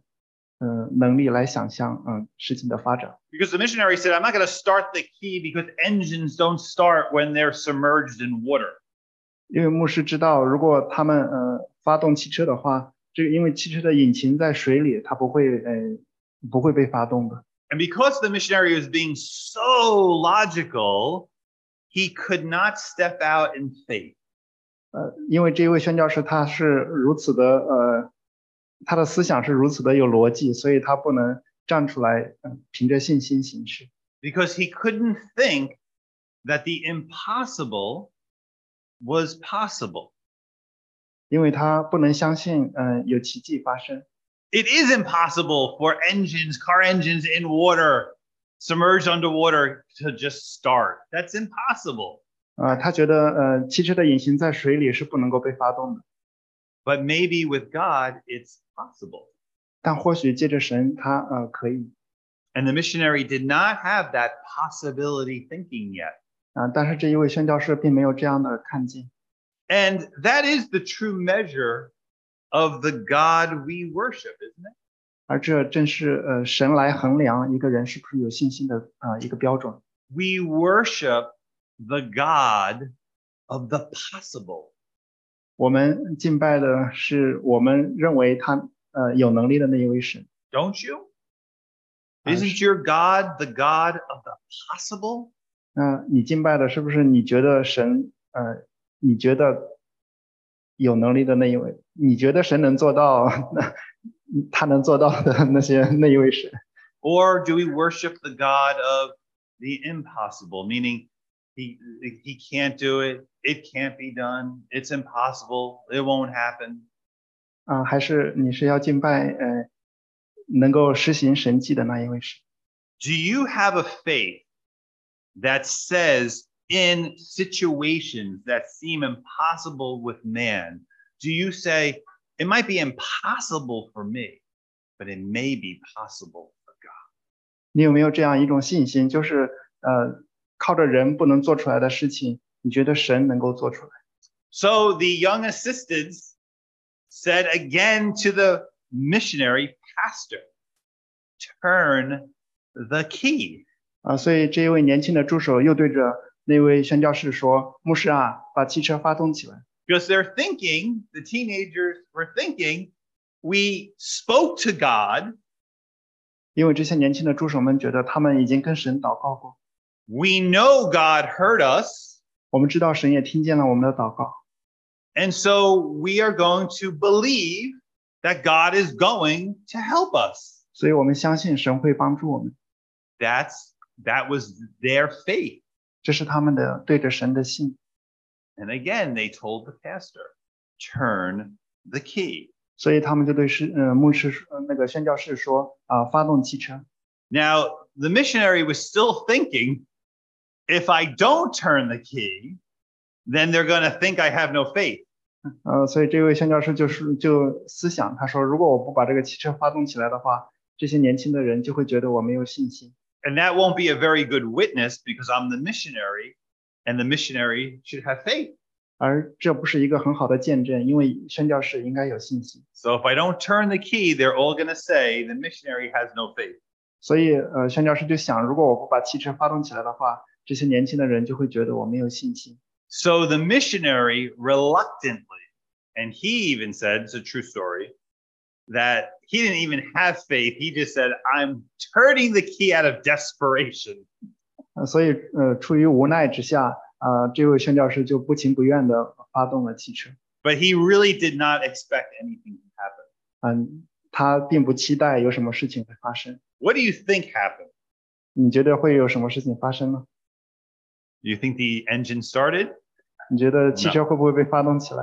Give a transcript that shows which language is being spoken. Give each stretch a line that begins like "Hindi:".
Chinese: 他没有以超自然的能力来想象事情的发展。
English: Because the missionary said, I'm not going to start the key because engines don't start when they're submerged in water.
Chinese: 因为牧师知道如果他们发动汽车的话, 这个因为汽车的引擎在水里，它不会被发动的。
English: And because the missionary was being so logical, he could not step out in faith.
Chinese: 因为这位宣教士他的思想是如此的有逻辑，所以他不能站出来凭着信心行事。
English: Because he couldn't think that the impossible was possible.
Chinese: 因为他不能相信有奇迹发生。
English: It is impossible for engines, car engines in water, submerged underwater, to just start. That's impossible.
Chinese: 他觉得汽车的引擎在水里是不能够被发动的。
English: But maybe with God, it's possible.
Chinese: 但或许借着神他可以。
English: And the missionary did not have that possibility thinking yet.
Chinese: 但是这一位宣教士并没有这样的看见。
English: And that is the true measure of the God we worship, isn't it?
Chinese: 而这正是神来衡量一个人是不是有信心的一个标准。
English: We worship the God of the possible.
Chinese: 我们敬拜的是我们认为他有能力的那一位神。
English: Don't you? Isn't your God the God of the possible?
Chinese: 你敬拜的是不是你觉得神你觉得有能力的那一位，你觉得神能做到，他能做到的那些那一位神。
English: Or do we worship the God of the impossible, meaning he can't do it, it can't be done, it's impossible, it won't happen?
Chinese: 还是你是要敬拜能够实行神迹的那一位神。
English: Do you have a faith that says in situations that seem impossible with man, do you say, it might be impossible for me, but it may be possible for God?
Chinese: 你有没有这样一种信心，就是靠着人不能做出来的事情，你觉得神能够做出来？
English: So the young assistants said again to the missionary pastor, turn the key.
Chinese: 所以这一位年轻的助手又对着那位宣教士说，牧师啊，把汽车发动起来。
English: Because they're thinking, the teenagers were thinking, we spoke to God.
Chinese: 因为这些年轻的助手们觉得他们已经跟神祷告过。
English: We know God heard us.
Chinese: 我们知道神也听见了我们的祷告。
English: And so we are going to believe that God is going to help us.
Chinese: 所以我们相信神会帮助我们。
English: That was their faith.
Chinese: 这是他们的对着神的信。
English: And again, they told the pastor, turn the key.
Chinese: 所以他们就对牧师那个宣教士说发动汽车。
English: Now, the missionary was still thinking, if I don't turn the key, then they're going to think I have no faith.
Chinese: 所以这位宣教士就思想，他说，如果我不把这个汽车发动起来的话，这些年轻的人就会觉得我没有信心。
English: And that won't be a very good witness because I'm the missionary and the missionary should have faith.
Chinese: 而这不是一个很好的见证，因为宣教士应该有信心。
English: So if I don't turn the key, they're all going to say the missionary has no faith.
Chinese: 所以宣教士就想，如果我不把汽车发动起来的话，这些年轻的人就会觉得我没有信心。
English: So the missionary reluctantly, and he even said, it's a true story, that he didn't even have faith. He just said, I'm turning the key out of desperation.
Chinese: 所以出于无奈之下这位宣教士就不情不愿地发动了汽车。
English: But he really did not expect anything to happen.
Chinese: 他并不期待有什么事情会发生。
English: What do you think happened?
Chinese: 你觉得会有什么事情发生吗？
English: Do you think the engine started?
Chinese: 你觉得汽车会不会被发动起来？